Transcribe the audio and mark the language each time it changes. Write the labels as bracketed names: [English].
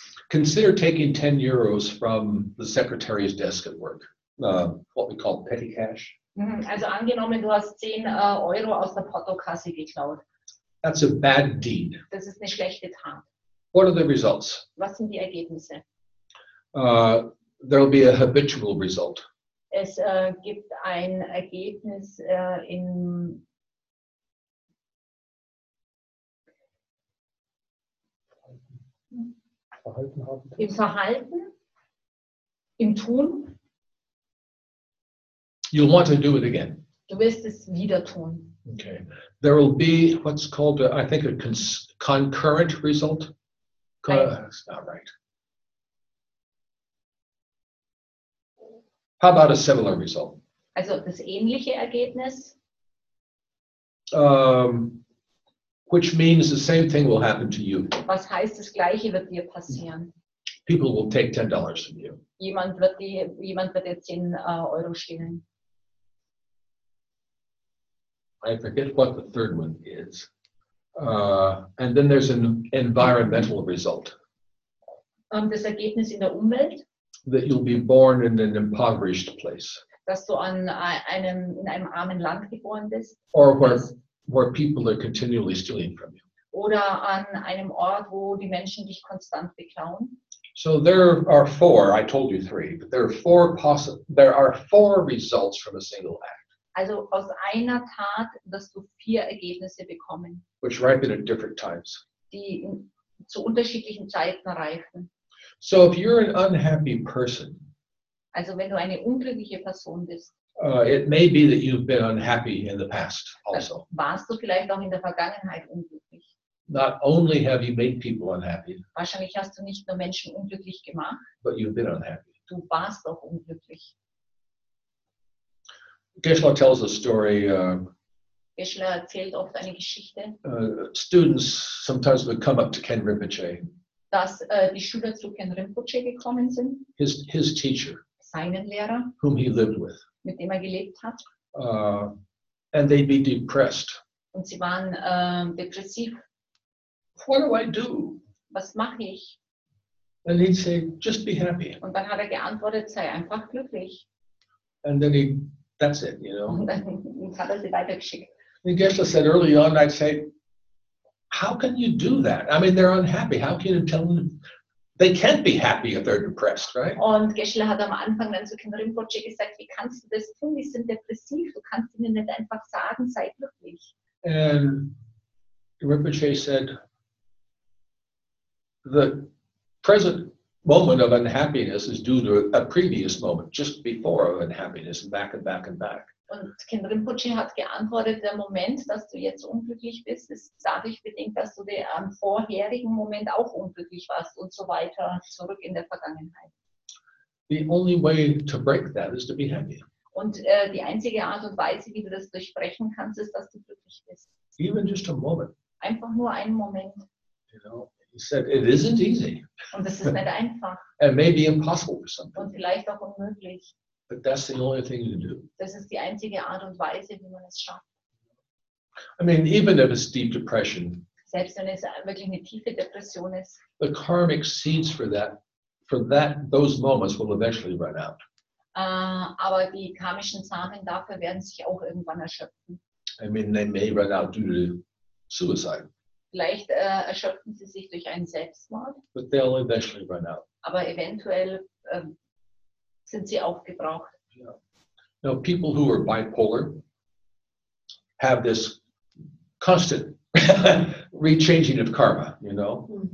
[English] Consider taking 10 euros from the secretary's desk at work, what we call petty cash. Mm-hmm. [German] Also angenommen, du hast 10 Euro aus der Portokasse geklaut. [English] That's a bad deed. [German] Das ist eine schlechte Tat. [English] What are the results? [German] Was sind die Ergebnisse? [English] There'll be a habitual result. [German] Es gibt ein Ergebnis in Verhalten haben. Im Verhalten, im Tun. [English] You'll want to do it again. [German] Du wirst es wieder tun. Okay. [English] There will be what's called, concurrent result. That's not right. How about a similar result? [German] Also das ähnliche Ergebnis. [English] Which means the same thing will happen to you. [German] Was heißt, das Gleiche wird dir passieren. [English] People will take $10 from you. [German] Jemand wird dir 10 Euro stehlen. [English] I forget what the third one is. And then there's an environmental result. [German] Das Ergebnis in der Umwelt. [English] That you'll be born in an impoverished place. [German] Dass du in einem armen Land geboren bist. [English] Or where people are continually stealing from you. [German] Oder an einem Ort, wo die Menschen dich konstant beklauen. [English] So there are four, I told you three, but there are four four results from a single act. [German] Also aus einer Tat wirst du vier Ergebnisse bekommen. [English] Which ripen at different times. [German] Die zu unterschiedlichen Zeiten reifen. [English] So if you're an unhappy person, [German] also wenn du eine unglückliche Person bist, [English] it may be that you've been unhappy in the past also. [German] Warst du vielleicht auch in der Vergangenheit unglücklich? [English] Not only have you made people unhappy, [German] wahrscheinlich hast du nicht nur Menschen unglücklich gemacht, [English] but you've been unhappy. [German] Du warst auch unglücklich. [English] Geshe-la tells a story. [German] Geshe-la erzählt oft eine Geschichte. [English] Students sometimes would come up to Ken Rinpoche. [German] Dass die Schüler zu Ken Rinpoche gekommen sind. [English] His teacher. [German] Seinen Lehrer. [English] Whom he lived with. [German] Mit dem er gelebt hat. [English] And they'd be depressed. [German] Und sie waren depressiv. [English] What do I do? [German] Was mache ich? [English] And he'd say, just be happy. [German] Und dann hat er geantwortet, sei einfach glücklich. [English] And then that's it, you know. [German] Und dann hat er sie weitergeschickt. [English] And Geshe-la said early on, I'd say, how can you do that? I mean, they're unhappy. How can you tell them? They can't be happy if they're depressed, right? [German] Und Geshe-la hat am Anfang dann zu Ken Rinpoche gesagt, wie kannst du das tun? Die sind depressiv. Du kannst ihnen nicht einfach sagen, sei glücklich. [English] And Rinpoche said, the present moment of unhappiness is due to a previous moment, just before of unhappiness, back and back and back. [German] Und Ken Rinpoche hat geantwortet, der Moment, dass du jetzt unglücklich bist, ist dadurch bedingt, dass du am vorherigen Moment auch unglücklich warst und so weiter, zurück in der Vergangenheit. [English] The only way to break that is to be happy. [German] Und die einzige Art und Weise, wie du das durchbrechen kannst, ist, dass du glücklich bist. [English] Even just a moment. [German] Einfach nur einen Moment. [English] You know, he said, it isn't easy. [German] Und es ist nicht einfach. [English] It may be impossible for some. [German] Und vielleicht auch unmöglich. [English] But that's the only thing to do. [German] Das ist die einzige Art und Weise, wie man es schafft. [English] I mean, even if it's deep depression. [German] Selbst wenn es wirklich eine tiefe Depression ist. [English] The karmic seeds for that, those moments will eventually run out. [German] Aber die karmischen Samen dafür werden sich auch irgendwann erschöpfen. [English] I mean, they may run out due to suicide. [German] Vielleicht erschöpfen sie sich durch einen Selbstmord. [English] But they'll eventually run out. [German] Aber eventuell sind sie aufgebraucht. Yeah. [English] Now, people who are bipolar have this constant rechanging of karma, you know.